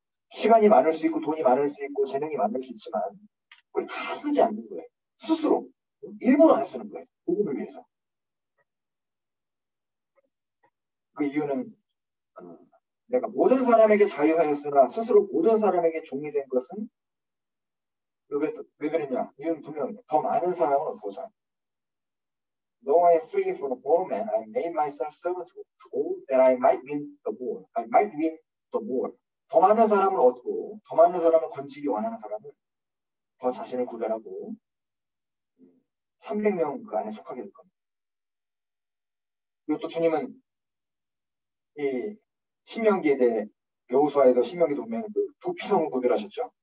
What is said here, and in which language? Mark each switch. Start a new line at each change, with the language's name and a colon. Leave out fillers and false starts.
Korean: 시간이 많을 수 있고 돈이 많을 수 있고 재능이 많을 수 있지만 그걸 다 쓰지 않는 거예요. 스스로. 일부러 안 쓰는 거예요. 복음을 위해서. 그 이유는 내가 모든 사람에게 자유하였으나 스스로 모든 사람에게 종이 된 것은 왜 그랬냐? 이유는 분명히 더 많은 사람을 얻고자.
English: Though I am free from all men, I made myself servant to all that I might win the more. I might win the more.
Korean: 더 많은 사람을 얻고, 더 많은 사람을 건지기 원하는 사람을 더 자신을 구별하고, 300명 그 안에 속하게 될 겁니다. 그리고 또 주님은 이 신명기에 대해 여호수아에도 신명기 보면 그 도피성을 구별하셨죠.